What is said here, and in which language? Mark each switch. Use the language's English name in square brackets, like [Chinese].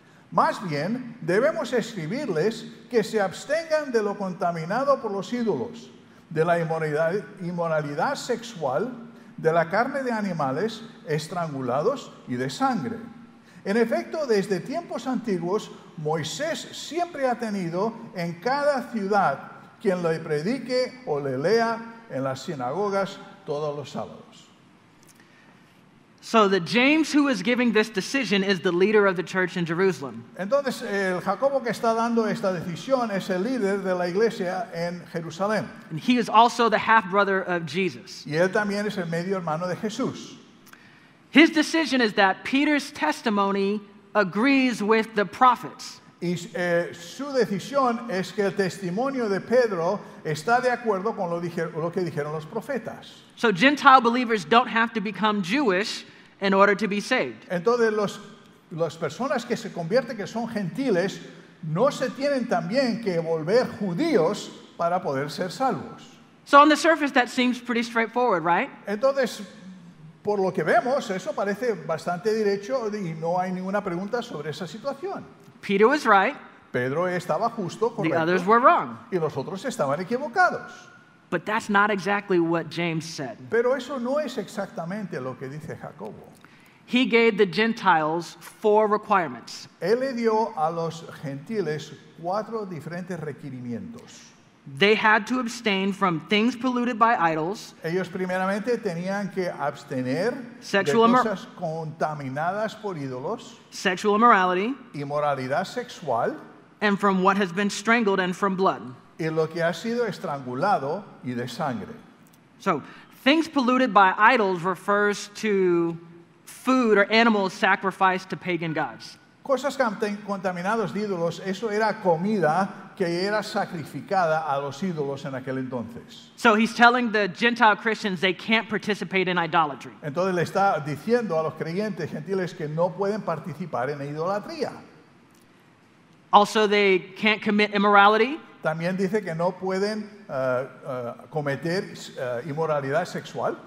[Spanish] Más bien, debemos escribirles que se abstengan de lo contaminado por los ídolos, de la inmoralidad sexual, de la carne de animales estrangulados y de sangre. En efecto, desde tiempos antiguos, Moisés siempre ha tenido en cada ciudad quien le predique o le lea en las sinagogas todos los sábados. [English] So the James who is giving this decision is the leader of the church in Jerusalem. [Spanish] Entonces, el Jacobo que está dando esta decisión es el líder de la iglesia en Jerusalén. [English] And he is also the half-brother of Jesus. [Spanish] Y él también es el medio hermano de Jesús. [English] His decision is that Peter's testimony agrees with the prophets. [Spanish] Y su decisión es que el testimonio de Pedro está de acuerdo con lo que dijeron los profetas. [English] So Gentile believers don't have to become Jewish in order to be saved. [Spanish] Entonces las personas que se convierten que son gentiles no se tienen también que volver judíos para poder ser salvos. [English] So on the surface that seems pretty straightforward, right? [Spanish] Entonces por lo que vemos eso parece bastante derecho y no hay ninguna pregunta sobre esa situación. [English] Peter was right. [Spanish] Pedro estaba justo, correcto. [English] The others were wrong. [Spanish] Y los otros estaban equivocados. [English] But that's not exactly what James said. [Spanish] Pero eso no es exactamente lo que dice Jacobo. [English] He gave the Gentiles four requirements. [Spanish] Él le dio a los gentiles cuatro diferentes requerimientos. [English] They had to abstain from things polluted by idols. [Spanish] Ellos primeramente tenían que abstener de cosas contaminadas por ídolos. [English] Sexual immorality. [Spanish] Inmoralidad sexual. [English] And from what has been strangled and from blood. [Spanish] Y lo que ha sido estrangulado y de sangre. [English] So, things polluted by idols refers to food or animals sacrificed to pagan gods. [Spanish] Cosas contaminadas de ídolos, eso era comida que era sacrificada a los ídolos en aquel entonces. [English] So he's telling the Gentile Christians they can't participate in idolatry. [Spanish] Entonces le está diciendo a los creyentes gentiles que no pueden participar en idolatría. [English] Also they can't commit immorality. [Spanish] También dice que no pueden cometer inmoralidad sexual.